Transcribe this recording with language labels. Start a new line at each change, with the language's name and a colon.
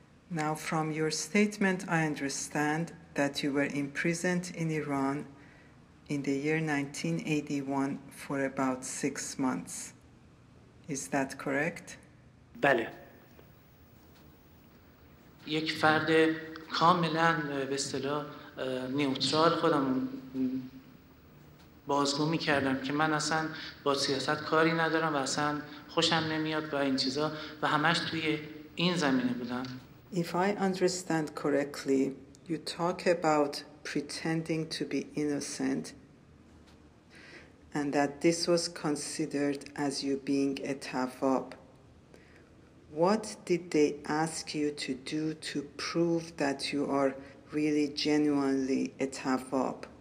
English: Now, from your statement, I understand that you were imprisoned in Iran in the year 1981 for about 6 months. Is that correct?
Persian: بله. یک فرد کاملاً به اصطلاح نیوترال خودم بازگو میکردم که من اصلا با سیاست کاری ندارم و اصلا خوشم نمیاد با این چیزا و همش توی این زمینه بودم.
English: If I understand correctly, you talk about pretending to be innocent and that this was considered as you being a tawwab. What did they ask you to do to prove that you are really genuinely a tawwab?